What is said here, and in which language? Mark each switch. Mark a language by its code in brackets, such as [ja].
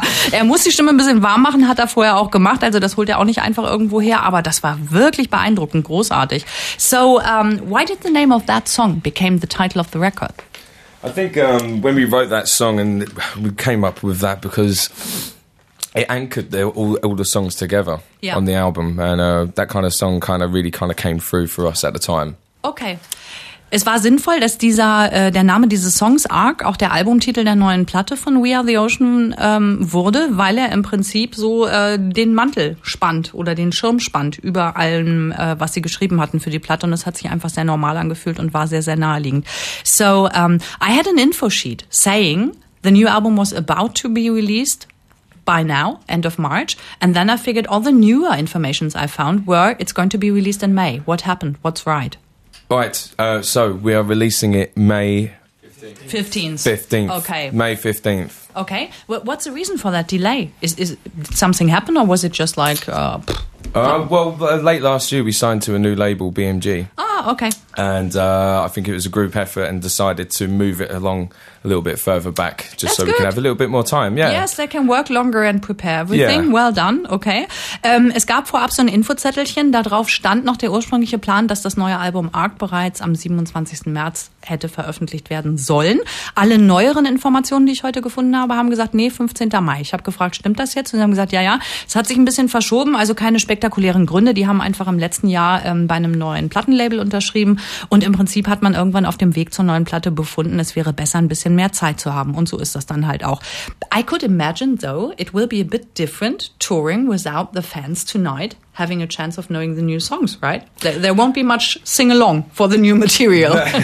[de] Er muss die Stimme ein bisschen warm machen, hat er vorher auch gemacht. Also das holt er auch nicht einfach irgendwo her. Aber das war wirklich beeindruckend, großartig. [en] So, why did the name of that song became the title of the record? I think when we wrote that song and we came up with that because it anchored all the songs together on the album. And that kind of song kind of really kind of came through for us at the time. Okay. [de] Es war sinnvoll, dass der Name dieses Songs ARC auch der Albumtitel der neuen Platte von We Are The Ocean wurde, weil er im Prinzip so den Mantel spannt oder den Schirm spannt über allem, was sie geschrieben hatten für die Platte. Und es hat sich einfach sehr normal angefühlt und war sehr, sehr naheliegend. [en] So, I had an info sheet saying the new album was about to be released by now, end of March. And then I figured all the newer informations I found were it's going to be released in May. What happened? What's right? Right, so we are releasing it May 15th. Okay. May 15th. Okay. What's the reason for that delay? Did something happen or was it just like... Late last year we signed to a new label, BMG. Ah, okay. And I think it was a group effort and decided to move it along a little bit further back just so good. We can have a little bit more time. Yeah. Yes, they can work longer and prepare everything. Yeah. Well done. Okay. [de] Es gab vorab so ein Infozettelchen, da drauf stand noch der ursprüngliche Plan, dass das neue Album ARC bereits am 27. März hätte veröffentlicht werden sollen. Alle neueren Informationen, die ich heute gefunden habe, haben gesagt, nee, 15. Mai. Ich habe gefragt, stimmt das jetzt? Und sie haben gesagt, ja. Es hat sich ein bisschen verschoben, also keine spektakulären Gründe. Die haben einfach im letzten Jahr bei einem neuen Plattenlabel unterschrieben. Und im Prinzip hat man irgendwann auf dem Weg zur neuen Platte befunden, es wäre besser, ein bisschen mehr Zeit zu haben. Und so ist das dann halt auch. [en] I could imagine, though, it will be a bit different touring without the fans tonight, having a chance of knowing the new songs, right? There won't be much sing-along for the new material.